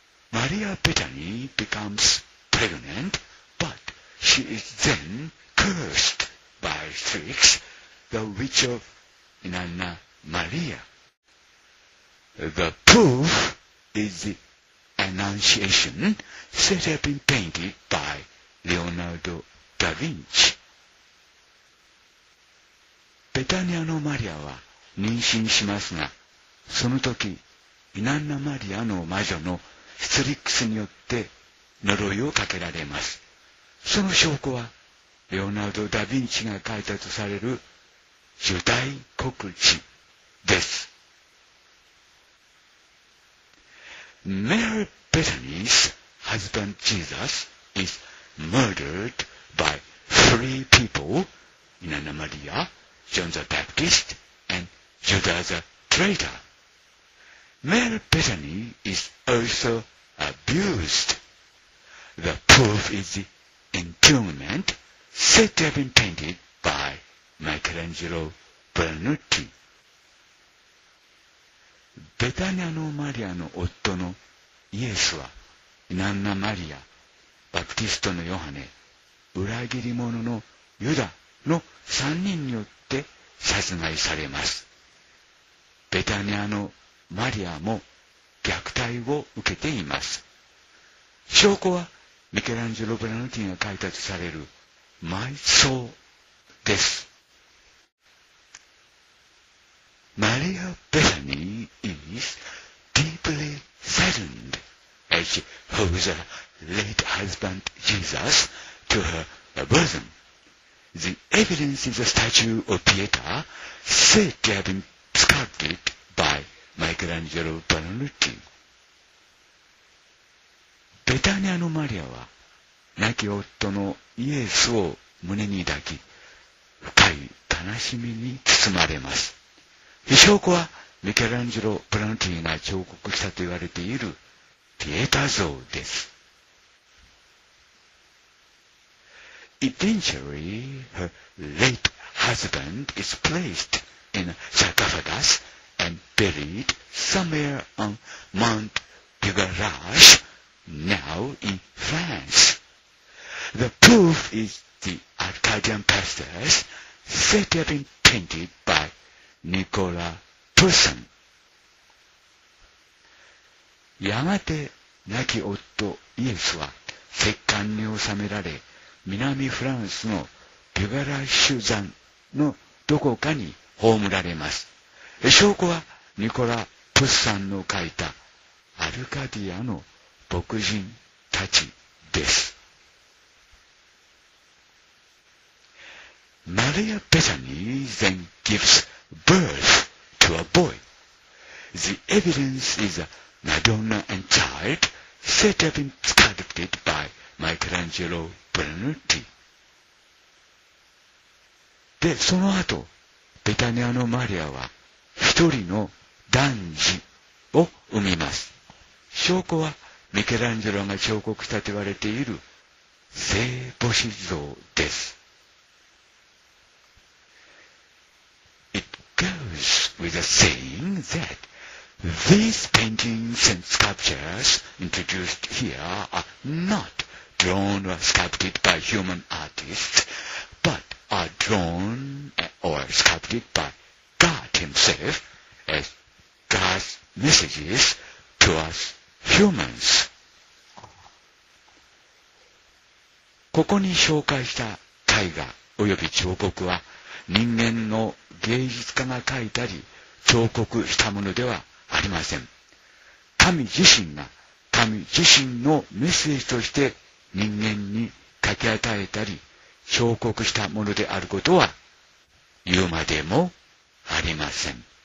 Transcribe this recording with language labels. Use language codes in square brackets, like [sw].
[en] マリア・ベタニー becomes pregnant, but she is then cursed by Strix, the witch of Inanna Maria. The proof is the Annunciation, said to have been painted byLeonardo da Vinci. [ja] ベタニアのマリアは妊娠しますが、その時、イナンナマリアの魔女のストリックスによって呪いをかけられます。その証拠は、レオナルド・ダ・ヴィンチが書いたとされる受胎告知です。 [en] Mary Bethany's husband Jesus isMurdered by three people, Inanna Maria, John the Baptist, and Judas the traitor. Mary Bethany is also abused. The proof is the entombment said to have been painted by Michelangelo Buonarroti. [ja] ベタニアのマリアの夫のイエスは、Inanna Mariaバプティストのヨハネ、裏切り者のユダの3人によって殺害されます。ベタニアのマリアも虐待を受けています。証拠はミケランジェロ・ブラノティが書いたとされる埋葬です。 [en] マリア・ベタニー is deeply saddened as she holds aLate husband Jesus to her bosom. The evidence is a statue of Pietà said to have been sculpted by Michelangelo Buonarroti. [ja] ベタニアのマリアは亡き夫のイエスを胸に抱き、深い悲しみに包まれます。証拠はミケランジェロ・ブラノティが彫刻したと言われているピエタ像です。 [en] Eventually, her late husband is placed in a sarcophagus and buried somewhere on Mount Pigarage, now in France. The proof is the Arcadian pastures said to have been painted by Nicolas Poussin. [ja] やがて亡き夫イエスは石棺に納められ、南フランスのピュガラッシュ山のどこかに葬られます。証拠はニコラ・ プスさんの書いたアルカディアの牧人たちです。 [en] マリア・ベタニー then gives birth to a boy. The evidence is a Madonna and child set up and sculpted by Michelangelo Buonarroti. [ja] で、その後、ベタニアのマリアは一人の男児を産みます。証拠はミケランジェロが彫刻したと言われている聖母子像です。 [en] Goes with a saying that these paintings and sculptures introduced here are not drawn or sculpted by human artists, but are drawn or sculpted by God himself as God's messages to us humans. [ja] ここに紹介した絵画および彫刻は人間の芸術家が描いたり彫刻したものではありません。神自身が神自身のメッセージとして人間に書き与えたり彫刻したものであることは言うまでもありません。